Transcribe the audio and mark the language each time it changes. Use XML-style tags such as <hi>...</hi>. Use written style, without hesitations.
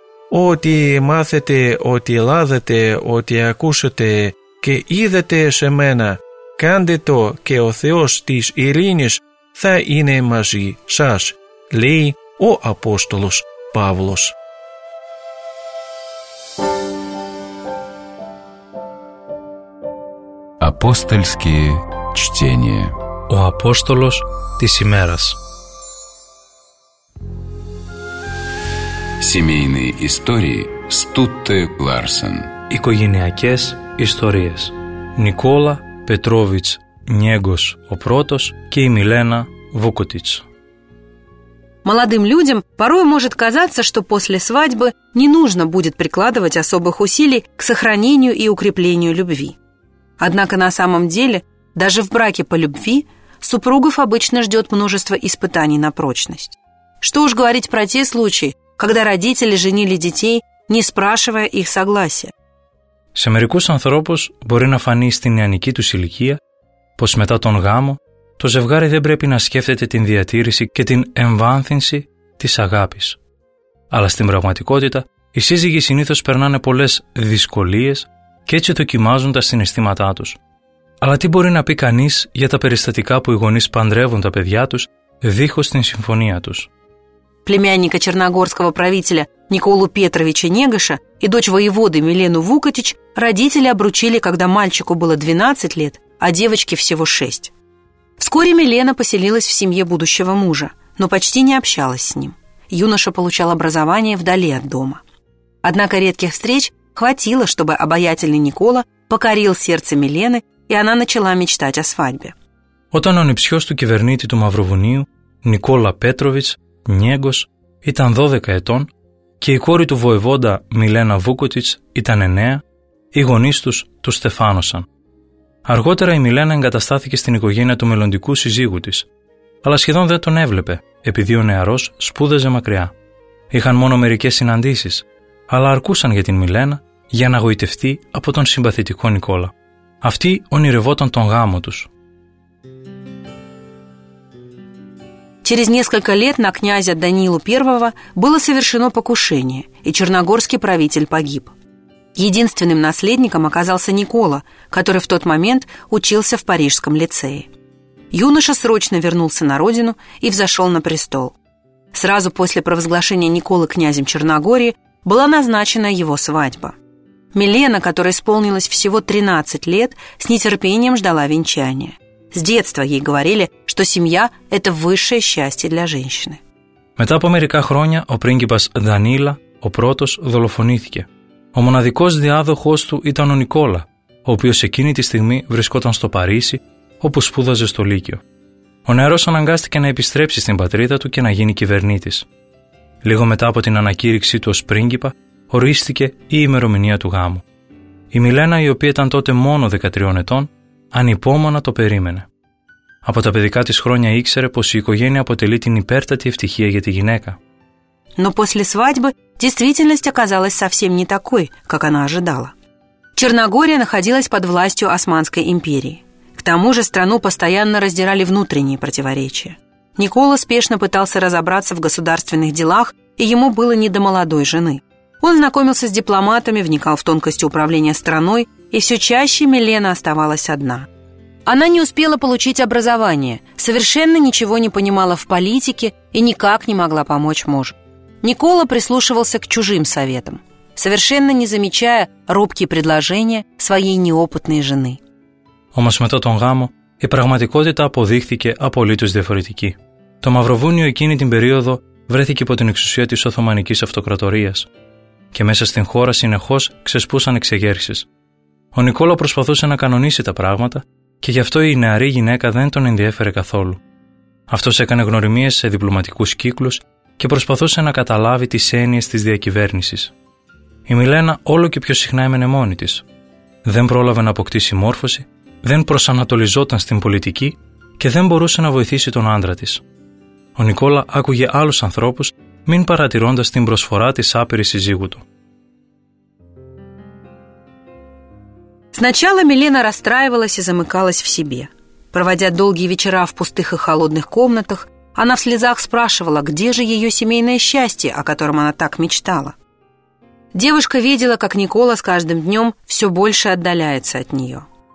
<el>Ό,τι μάθετε, ό,τι λάδετε, ό,τι ακούσετε και είδετε σε μένα, κάντε το και ο Θεός της ειρήνης θα είναι μαζί σας, λέει ο Απόστολος Παύλος.</el> <ru>Апостольские чтения.</ru> <el>Ο Апόστολος της ημέρας.</el> <ru>Семейные истории Стутте Ларсен.</ru> <el>Οικογενειακές ιστορίες. Νικόλα Πετρόβιτς Νιέγκος ο πρώτος και η Μιλένα Βούκοτιτς.</el> <ru>Молодым людям порой может казаться, что после свадьбы не нужно будет прикладывать особых усилий к сохранению и укреплению любви. Однако на самом деле, даже в браке по любви, супругов обычно ждет множество испытаний на прочность. Что уж говорить про те случаи, когда родители женили детей, не спрашивая их согласия.</ru> <el>Σε μερικούς ανθρώπους μπορεί να φανεί στην νεανική τους ηλικία πως μετά τον γάμο το ζευγάρι δεν πρέπει να σκέφτεται την διατήρηση και την εμβάνθυνση της αγάπης. Αλλά στην πραγματικότητα, οι σύζυγοι συνήθως περνάνε πολλές δυσκολίες και έτσι δοκιμάζουν τα συναισθήματά τους. Αλλά τι μπορεί να πει κανείς για τα περιστατικά που οι γονείς παντρεύουν τα παιδιά τους δίχως την συμφωνία τους?</el> <ru>Племянника черногорского правителя Николу Петровича Негоша и дочь воеводы Милену Вукотич родители обручили, когда мальчику было 12 лет, а девочке всего 6. Вскоре Милена поселилась в семье будущего мужа, но почти не общалась с ним. юноша получал образование вдали от дома. Однако редких встреч хватило, чтобы обаятельный Никола покорил сердце Милены, и она начала мечтать о свадьбе.</ru> <el>Όταν ο νηψιός του κυβερνήτη του Μαυροβουνίου, Νικόλα Πέτροβιτς, Νιέγκος, ήταν 12 ετών και η κόρη του βοηβόντα Μιλένα Βούκοτιτς ήταν 9, οι γονείς τους τους στεφάνωσαν. Αργότερα η Μιλένα εγκαταστάθηκε στην οικογένεια του μελλοντικού συζύγου της, αλλά σχεδόν δεν τον έβλεπε, επειδή ο νεαρός σπούδαζε μακριά. Είχαν μόνο μερικές συναντήσεις, αλλά αρκούσαν για την Μιλένα για να γοητευτεί από τον συμπαθητικό Νικόλα. Αυτή ονειρευόταν τον γάμο τους.</el> <ru>Через несколько лет на князя Данилу I было совершено покушение, и черногорский правитель погиб. Единственным наследником оказался Никола, который в тот момент учился в Парижском лицее. Юноша срочно вернулся на родину и взошел на престол. Сразу после провозглашения Николы князем Черногории была назначена его свадьба. Милена, которой исполнилось всего 13 лет, с нетерпением ждала венчания. С детства ей говорили, что семья – это высшее счастье для женщины.</ru> <el>Μετά από μερικά χρόνια, ο πρίγκιπας Δανίλα, ο πρώτος, δολοφονήθηκε. Ο μοναδικός διάδοχός του ήταν ο Νικόλα, ο οποίος εκείνη τη στιγμή βρισκόταν στο Παρίσι, όπου σπούδαζε στο Λύκειο. Ο νεαρός αναγκάστηκε να επιστρέψει στην πατρίδα του και να γίνει κυβερνήτης. Λίγο μετά από την ανακήρυξή του ως πρίγκιπα, ορίστηκε η ημερομηνία του γάμου. Η Μιλένα, η οποία ήταν τότε μόνο 13 ετών, ανυπόμονα το περίμενε. Από τα παιδικά της χρόνια ήξερε πως η οικογένεια αποτελεί την υπέρτατη ευτυχία για τη γυναίκα.</el> <ru>Но после свадьбы действительность оказалась совсем не такой, как она ожидала. Черногория находилась под властью Османской империи. К тому же страну постоянно раздирали внутренние противоречия. Никола спешно пытался разобраться в государственных делах, и ему было не до молодой жены. Он знакомился с дипломатами, вникал в тонкости управления страной, и все чаще Милена оставалась одна. Она не успела получить образование, совершенно ничего не понимала в политике и никак не могла помочь мужу. Никола прислушивался к чужим советам, совершенно не замечая робкие предложения своей неопытной жены.</ru> <el>Όμως μετά τον γάμο, η πραγματικότητα αποδείχθηκε απολύτως διαφορετική. Το Μαυροβούνιο εκείνη την περίοδο βρέθηκε υπό την εξουσία της Οθωμανικής Αυτοκρατορίας και μέσα στην χώρα συνεχώς ξεσπούσαν εξεγέρσεις. Ο Νικόλα προσπαθούσε να κανονίσει τα πράγματα και γι' αυτό η νεαρή γυναίκα δεν τον ενδιέφερε καθόλου. Αυτός έκανε γνωριμίες σε διπλωματικούς κύκλους και προσπαθούσε να καταλάβει τις έννοιες της διακυβέρνησης. Η Μιλένα όλο και πιο συχνά έμενε μόνη της. Δεν πρόλαβε να αποκτήσει μόρφωση, δεν προσανατολιζόταν στην πολιτική και δεν μπορούσε να βοηθήσει τον άντρα της. Ο Νικόλα άκουγε άλλους ανθρώπους, μην παρατηρώντας την προσφορά της άπειρης συζύγου του.</el> <ru>Сначала Милена расстраивалась и замыкалась в себе. Проводя долгие вечера в пустых и холодных комнатах, она в слезах спрашивала, где же ее семейное счастье, о котором она так мечтала. Девушка видела, как Никола с каждым днем все больше отдаляется от нее.</ru>